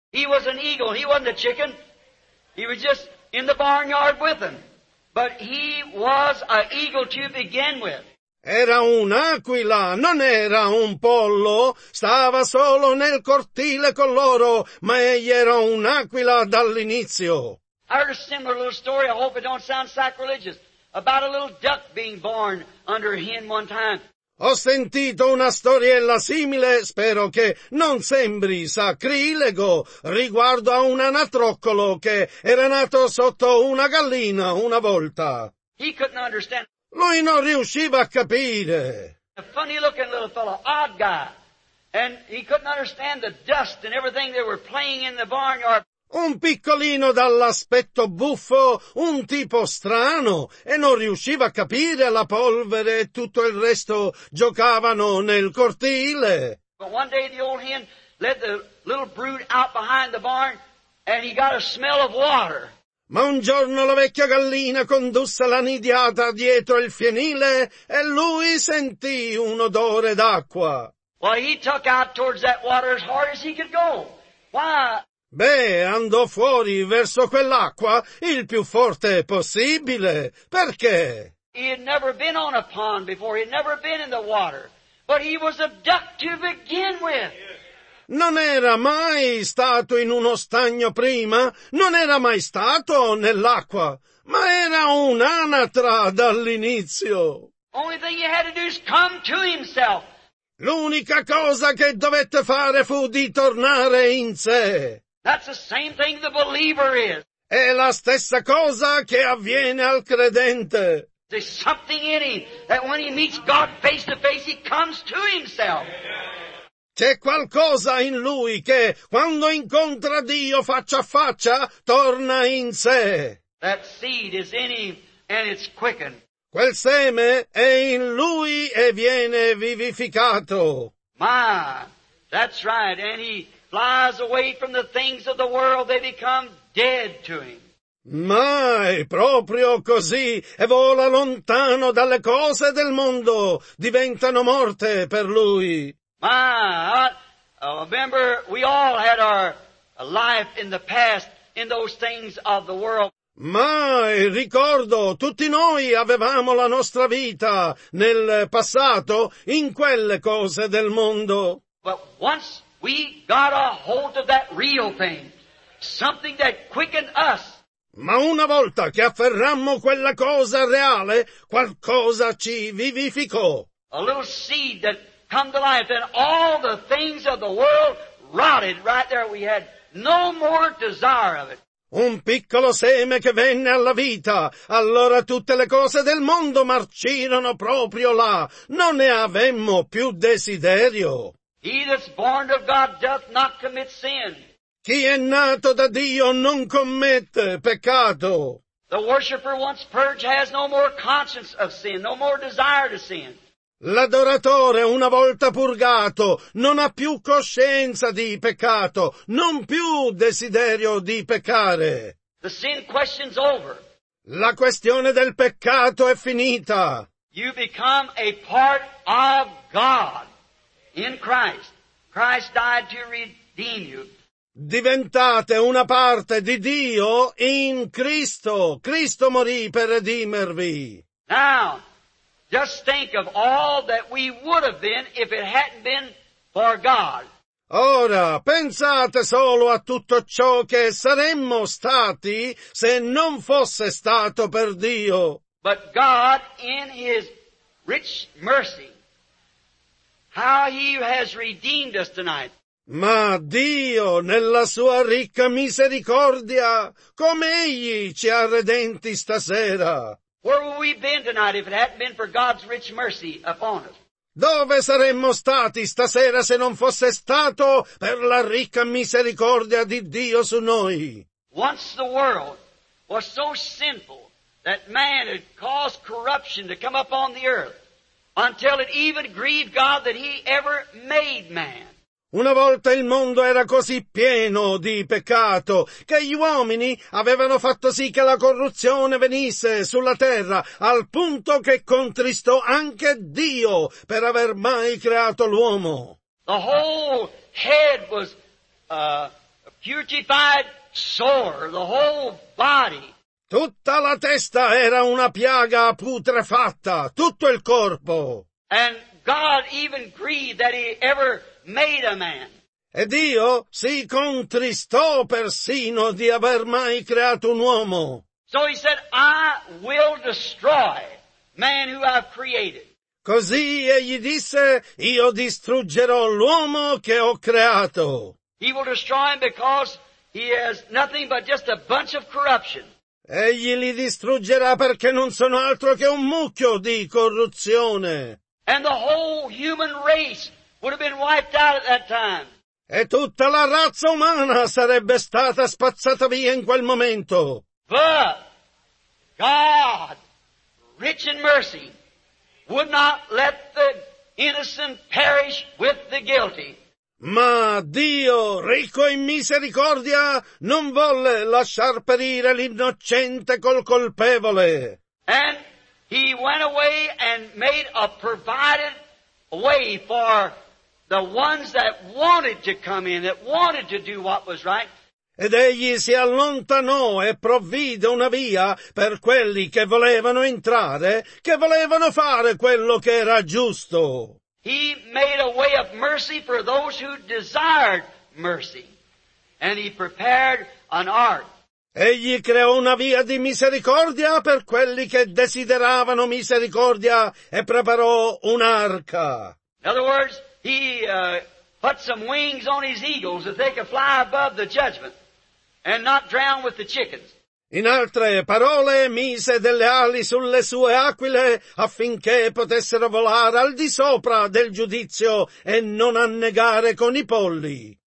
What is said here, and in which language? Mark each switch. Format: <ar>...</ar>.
<en>He was an eagle. He wasn't a chicken. He was just in the barnyard with them. But he was an eagle to begin with.</en> <it>Era un'aquila, non era un pollo. Stava solo nel cortile con loro, ma egli era un'aquila dall'inizio.</it> <en>I heard a similar little story, I hope it don't sound sacrilegious, about a little duck being born under a hen one time.</en> <it>Ho sentito una storiella simile, spero che non sembri sacrilego, riguardo a un anatroccolo che era nato sotto una gallina una volta.</it> <en>He couldn't understand.</en> <it>Lui non riusciva a capire.</it> <en>A funny looking little fellow, odd guy. And he couldn't understand the dust and everything they were playing in the barnyard.</en> <it>Un piccolino dall'aspetto buffo, un tipo strano, e non riusciva a capire la polvere e tutto il resto giocavano nel cortile.</it> <en>But one day the old hen led the little brood out behind the barn and he got a smell of water.</en> <it>Ma un giorno la vecchia gallina condusse la nidiata dietro il fienile e lui sentì un odore d'acqua.</it> <en>Well, he took out towards that water as hard as he could go. Why?</en> <it>Beh, andò fuori verso quell'acqua il più forte possibile. Perché?</it> <en>He had never been on a pond before. He had never been in the water. But he was a duck to begin with.</en> <it>Non era mai stato in uno stagno prima, non era mai stato nell'acqua, ma era un'anatra dall'inizio.</it> <en>Only thing he had to do is come to himself.</en> <it>L'unica cosa che dovette fare fu di tornare in sé.</it> <en>That's the same thing the believer is.</en> <it>È la stessa cosa che avviene al credente.</it> <en>There's something in him that when he meets God face to face, he comes to himself.</en> <it>C'è qualcosa in lui che, quando incontra Dio faccia a faccia, torna in sé.</it> <en>That seed is in him and it's quickened.</en> <it>Quel seme è in lui e viene vivificato.</it> <en>Ma, that's right, and he flies away from the things of the world, they become dead to him.</en> <it>Mai, proprio così, e vola lontano dalle cose del mondo, diventano morte per lui.</it> <en>My, remember, we all had our life in the past in those things of the world.</en> <it>Mai, ricordo, tutti noi avevamo la nostra vita nel passato in quelle cose del mondo.</it> <en>But once we got a hold of that real thing, something that quickened us.</en> <it>Ma una volta che afferrammo quella cosa reale, qualcosa ci vivificò.</it> <en>A little seed that come to life, and all the things of the world rotted right there. We had no more desire of it.</en> <it>Un piccolo seme che venne alla vita. Allora tutte le cose del mondo marcirono proprio là. Non ne avemmo più desiderio.</it> <en>He that's born of God doth not commit sin.</en> <it>Chi è nato da Dio non commette peccato.</it> <en>The worshipper once purged has no more conscience of sin, no more desire to sin.</en> <it>L'adoratore, una volta purgato, non ha più coscienza di peccato, non più desiderio di peccare.</it> <en>The sin question's over.</en> <it>La questione del peccato è finita.</it> <en>You become a part of God in Christ. Christ died to redeem you.</en> <it>Diventate una parte di Dio in Cristo. Cristo morì per redimervi.</it> <en>Now, just think of all that we would have been if it hadn't been for God.</en> <it>Ora, pensate solo a tutto ciò che saremmo stati se non fosse stato per Dio.</it> <en>But God, in His rich mercy, how He has redeemed us tonight.</en> <it>Ma Dio, nella sua ricca misericordia, come Egli ci ha redenti stasera.</it> <en>Where would we have been tonight if it hadn't been for God's rich mercy upon us?</en> <it>Dove saremmo stati stasera se non fosse stato per la ricca misericordia di Dio su noi?</it> <en>Once the world was so sinful that man had caused corruption to come upon the earth until it even grieved God that He ever made man.</en> <it>Una volta il mondo era così pieno di peccato che gli uomini avevano fatto sì che la corruzione venisse sulla terra, al punto che contristò anche Dio per aver mai creato l'uomo.</it> <en>The whole head was a putrefied sore, the whole body.</en> <it>Tutta la testa era una piaga putrefatta, tutto il corpo.</it> <en>And God even grieved that he ever made a man.</en> <it>E Dio si contristò persino di aver mai creato un uomo.</it> <en>So he said, I will destroy man who I've created.</en> <it>Così egli disse, io distruggerò l'uomo che ho creato.</it> <en>He will destroy him because he has nothing but just a bunch of corruption.</en> <it>Egli li distruggerà perché non sono altro che un mucchio di corruzione.</it> <en>And the whole human race would have been wiped out at that time.</en> <it>E tutta la razza umana sarebbe stata spazzata via in quel momento.</it> <en>But God, rich in mercy, would not let the innocent perish with the guilty.</en> <it>Ma Dio, ricco in misericordia, non volle lasciar perire l'innocente col colpevole.</it> <en>And he went away and made a provided way for the ones that wanted to come in, that wanted to do what was right.</en> <it>Ed egli si allontanò e provvide una via per quelli che volevano entrare, che volevano fare quello che era giusto.</it> <en>He made a way of mercy for those who desired mercy. And he prepared an ark.</en> <it>Egli creò una via di misericordia per quelli che desideravano misericordia e preparò un'arca.</it> <en>In other words, he put some wings on his eagles that they could fly above the judgment and not drown with the chickens.</en> <it>In altre parole, mise delle ali sulle sue aquile affinché potessero volare al di sopra del giudizio e non annegare con i polli.</it>